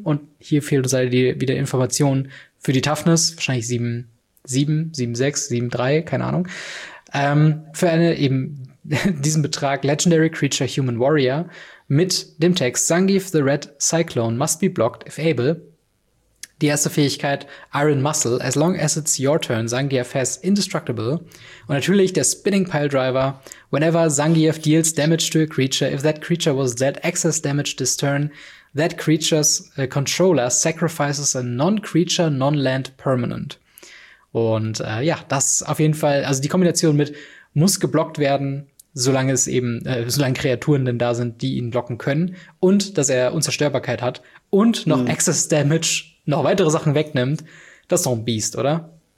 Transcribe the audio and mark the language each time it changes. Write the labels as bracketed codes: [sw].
[de] Und hier fehlt uns halt wieder Informationen. Für die Toughness wahrscheinlich 7, 7, 6, 7, 3, keine Ahnung. Für eine eben diesen Betrag Legendary Creature Human Warrior mit dem Text [en] Zangief the Red Cyclone must be blocked if able. [de] Die erste Fähigkeit Iron Muscle. [en] As long as it's your turn, Zangief has indestructible. [de] Und natürlich der [en] Spinning Pile Driver. Whenever Zangief deals damage to a creature, if that creature was dead, excess damage this turn, that creature's controller sacrifices a non-creature, non-land permanent. [de] Und ja, das auf jeden Fall, also die Kombination mit muss geblockt werden, solange Kreaturen denn da sind, die ihn blocken können, und dass er Unzerstörbarkeit hat und noch Excess Damage, noch weitere Sachen wegnimmt, das ist doch ein Beast, oder?